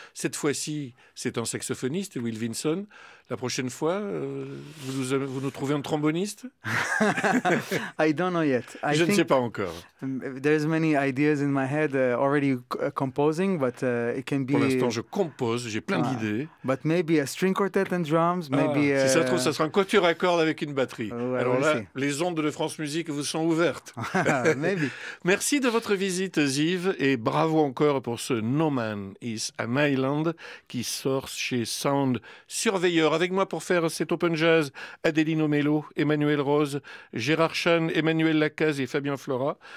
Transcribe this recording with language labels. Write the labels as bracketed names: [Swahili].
[French] Cette fois-ci, c'est un saxophoniste, Will Vinson. La prochaine fois, vous nous trouvez un tromboniste? [English] I don't know yet. [French] Je ne sais pas encore. [English] There's many ideas in my head already composing, but it can be. [French] Pour l'instant, je compose, j'ai plein d'idées. [English] But maybe a string quartet and drums, maybe. [French] Si ça se trouve, ça sera un quatuor à cordes avec une batterie. Alors, les ondes de France Musique vous sont ouvertes. [English] Maybe. [French] Merci de votre visite, Ziv, et bravo encore pour ce No Man Is an Island qui sort chez Sound Surveyor. Avec moi pour faire cet Open Jazz, Adeline Omello, Emmanuel Rose, Gérard Chan, Emmanuel Lacaze et Fabien Flora.